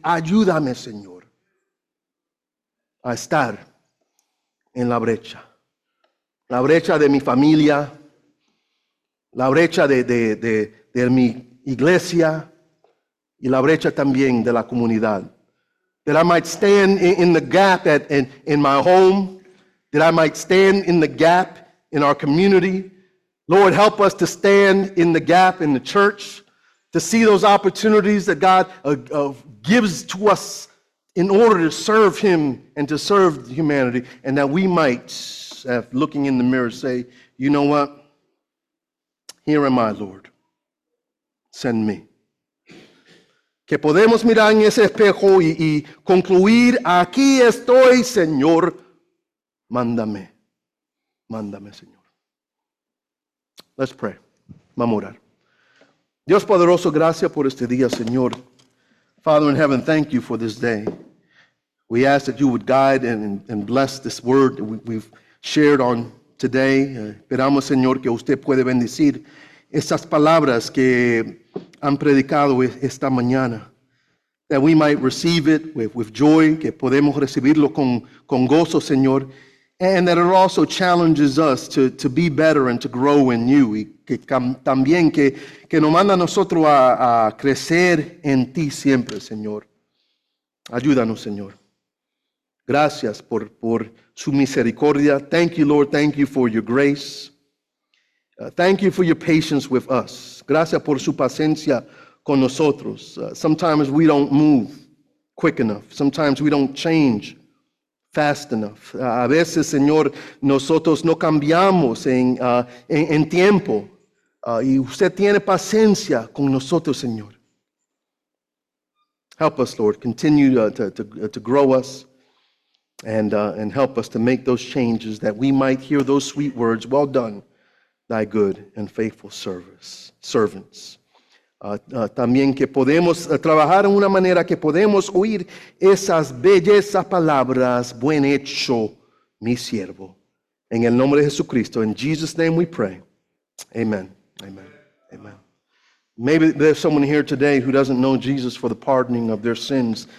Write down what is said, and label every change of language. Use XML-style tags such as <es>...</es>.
<es>Ayúdame, Señor, a estar en la brecha de mi familia, la brecha de mi iglesia y la brecha también de la comunidad.</es> <en>That I might stand in the gap in my home, that I might stand in the gap in our community. Lord, help us to stand in the gap in the church, to see those opportunities that God gives to us in order to serve him and to serve humanity, and that we might, looking in the mirror, say, you know what? Here am I, Lord. Send me.</en> <es>Que podemos mirar en ese espejo y concluir, aquí estoy, Señor. Mándame. Mándame, Señor.</es> <en>Let's pray.</en> <es>Vamos a orar. Dios poderoso, gracias por este día, Señor.</es> <en>Father in heaven, thank you for this day. We ask that you would guide and bless this word that we've shared on today.</en> <es>Esperamos, Señor, que usted puede bendecir estas palabras que han predicado esta mañana.</es> <en>That we might receive it with joy,</en> <es>que podemos recibirlo con gozo, Señor.</es> <en>And that it also challenges us to be better and to grow in you.</en> <es>Y que también que nos manda a nosotros a crecer en ti siempre, Señor. Ayúdanos, Señor. Gracias por su misericordia.</es> <en>Thank you, Lord. Thank you for your grace. Thank you for your patience with us.</en> <es>Gracias por su paciencia con nosotros.</es> <en>Sometimes we don't move quick enough. Sometimes we don't change fast enough.</en> <es>A veces, Señor, nosotros no cambiamos en tiempo. Y usted tiene paciencia con nosotros, Señor.</es> <en>Help us, Lord, continue to grow us and help us to make those changes that we might hear those sweet words, well done, thy good and faithful servants.</en> <es>También que podemos trabajar en una manera que podemos oír esas bellezas palabras, buen hecho, mi siervo. En el nombre de Jesucristo,</es> <en>in Jesus' name we pray.</en> <es>Amen. Amen. Amen.</es> <en>Maybe there's someone here today who doesn't know Jesus for the pardoning of their sins.</en>